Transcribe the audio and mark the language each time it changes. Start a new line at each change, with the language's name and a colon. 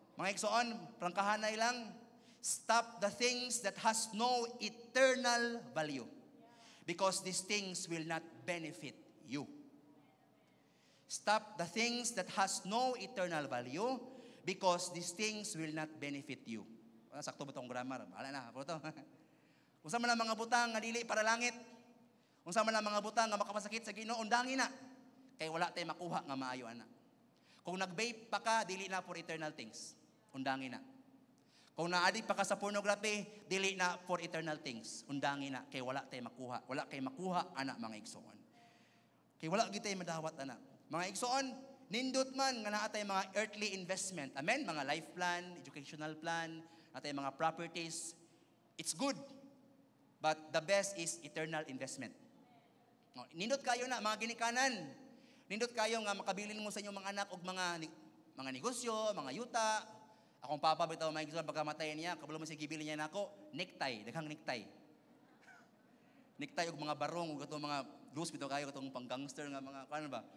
Cebuano: Mga igsoon, prangkahanay lang,
English: stop the things that has no eternal value. Because these things will not benefit you. Stop the things that has no eternal value because these things will not benefit you.
Cebuano: Sakto ba itong grammar? Wala na. Unsa man ang mga butang nga dili para langit? Unsa man ang mga butang nga makapasakit sa Ginoo? Undangin na. Kay wala tayong makuha nga maayo ana. Kung nag-vape pa ka, dili na
English: for eternal things.
Cebuano: Undangin na. Kung na-addict pa ka sa pornography, dili na
English: for eternal things.
Cebuano: Undangin na. Kay wala tayong makuha. Wala kayong makuha, ana mga igsoon. Kay wala gyud tayong madawat, ana. Mga igsoon, nindot man nga naa tayong mga earthly investment. Amen? Mga life plan, educational plan, natay mga properties.
English: It's good. But the best is eternal investment.
Cebuano: Nindot kayo na, mga ginikanan. Nindot kayo nga makabilin mo sa inyong mga anak o mga negosyo, mga yuta. Akong papa, bitaw mga igsoon, pagkamatay niya, kabalo mo siya gibilin niya na ako, necktie, daghang necktie. Necktie o mga barong, o gato mga loose, bitaw kayo, itong pang-gangster nga mga, ano ba?